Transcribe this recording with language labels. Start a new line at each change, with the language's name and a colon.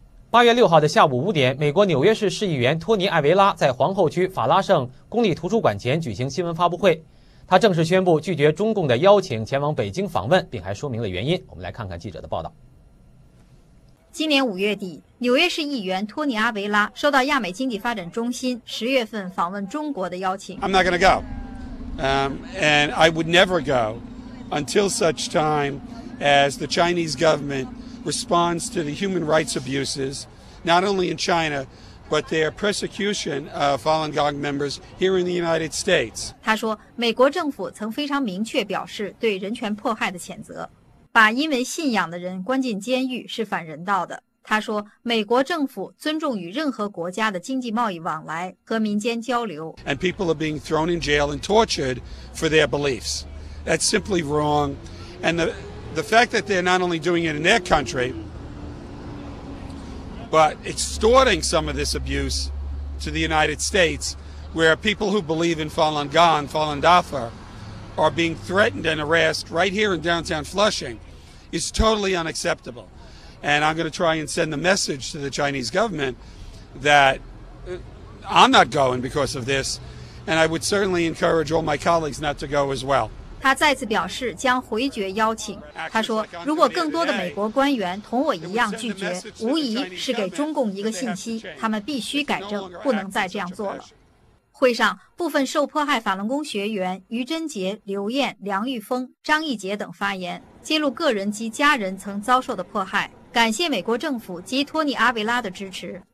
Chinese: 8月6号的下午5点，美国纽约市市议员托尼·艾维拉在皇后区法拉盛公立图书馆前举行新闻发布会，他正式宣布拒绝中共的邀请前往北京访问，并还说明了原因。我们来看看记者的报道。今年5月底，纽约市议员托尼·阿维拉收到亚美经济发展中心10月份访问中国的邀请。
English: I'm not going to go. And I would never go until such time as the Chinese government responds to the human rights abuses, not only in China, but their persecution of Falun Gong members here in the United States.
Chinese: 他说，美国政府曾非常明确表示对人权迫害的谴责。把因为信仰的人关进监狱是反人道的。他说，美国政府尊重与任何国家的经济贸易往来和民间交流。
English: And people are being thrown in jail and tortured for their beliefs. That's simply wrong. And the fact that they're not only doing it in their country, but extorting some of this abuse to the United States, where people who believe in Falun Gong, Falun Dafa,are being threatened and harassed right here in downtown Flushing is totally unacceptable. And I'm going to try and send the message to the Chinese government that I'm not going because of this, and I would certainly encourage all my colleagues not to go as well.
Chinese: 他再次表示将回绝邀请。他说，如果更多的美国官员同我一样拒绝，无疑是给中共一个信息，他们必须改正，不能再这样做了。会上，部分受迫害法轮功学员于贞杰、刘燕、梁玉峰、张义杰等发言，揭露个人及家人曾遭受的迫害，感谢美国政府及托尼·阿维拉的支持。